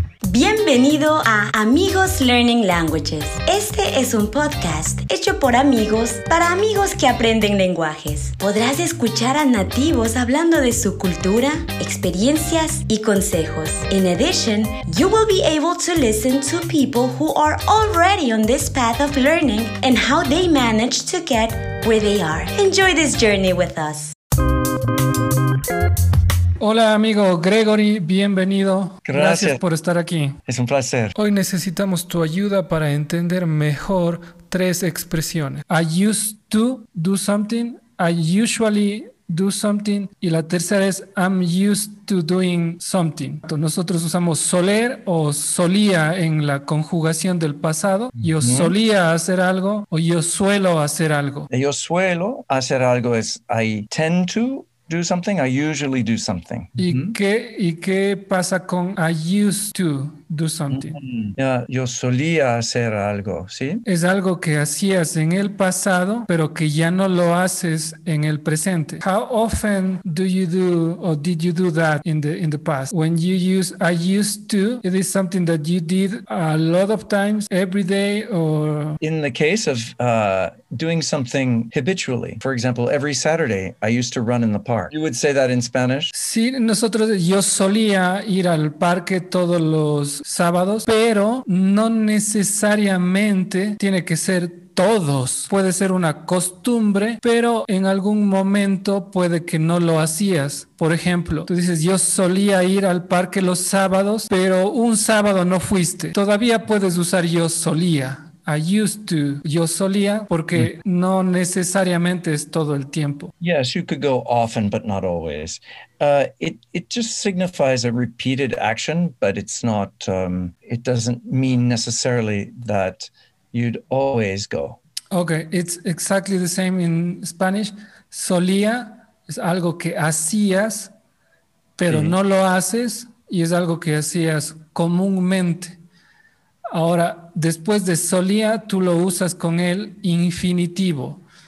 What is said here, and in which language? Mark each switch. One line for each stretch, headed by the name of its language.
Spanish: Bienvenido a Amigos Learning Languages. Este es un podcast hecho por amigos para amigos que aprenden lenguajes. Podrás escuchar a nativos hablando de su cultura, experiencias y consejos.
English: In addition, you will be able to listen to people who are already on this path of learning and how they manage to get where they are. Enjoy this journey with us.
Spanish: Hola amigo Gregory, bienvenido. Gracias por estar aquí. Es un placer. Hoy necesitamos tu ayuda para entender mejor tres expresiones.
English: I used to do something, I usually do something,
Spanish: y la tercera es
English: I'm used to doing something.
Spanish: Entonces, nosotros usamos soler o solía en la conjugación del pasado. Yo solía hacer algo o yo suelo hacer algo. Yo suelo hacer algo es
English: I tend to do something, I usually do something.
Spanish: ¿Y qué pasa con
English: I used to do something?
Spanish: Yo solía hacer algo, ¿sí? Es algo que hacías en el pasado, pero que ya no lo haces en el presente.
English: How often do you do or did you do that in the past? When you use I used to, it is something that you did a lot of times, every day, or... In the case of doing something habitually, for example, every Saturday, I used to run in the park. You would say that in Spanish?
Spanish: Sí, nosotros, yo solía ir al parque todos los sábados, pero no necesariamente tiene que ser todos. Puede ser una costumbre, pero en algún momento puede que no lo hacías. Por ejemplo, tú dices, yo solía ir al parque los sábados, pero un sábado no fuiste. Todavía puedes usar yo solía.
English: I used to,
Spanish: yo solía, porque no necesariamente es todo el tiempo.
English: Yes, you could go often, but not always. It just signifies a repeated action, but it's not, it doesn't mean necessarily that you'd always go. Okay, it's exactly the same in Spanish.
Spanish: Solía es algo que hacías, pero no lo haces, y es algo que hacías comúnmente. Ahora, después de solía, tú lo usas con el infinitivo.